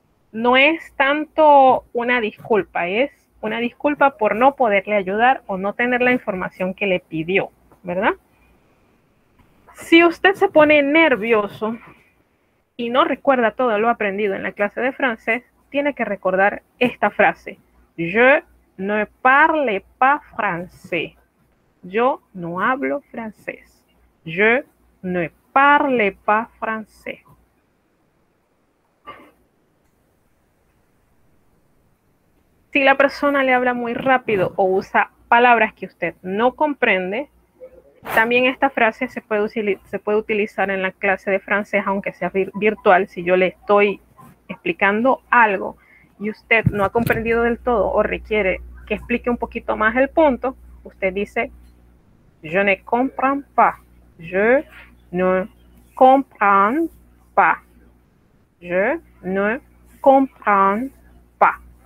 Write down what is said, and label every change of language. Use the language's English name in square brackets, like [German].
[Spanish] No es tanto una disculpa, es una disculpa por no poderle ayudar o no tener la información que le pidió, ¿verdad? Si usted se pone nervioso y no recuerda todo lo aprendido en la clase de francés, tiene que recordar esta frase. [French] Je ne parle pas français. [Spanish] Yo no hablo francés. [French] Je ne parle pas français. [Spanish] Si la persona le habla muy rápido o usa palabras que usted no comprende, también esta frase se puede utilizar en la clase de francés, aunque sea virtual. Si yo le estoy explicando algo y usted no ha comprendido del todo o requiere que explique un poquito más el punto, usted dice, [French] je ne comprends pas, [Spanish] je ne comprends pas, je ne comprends pas.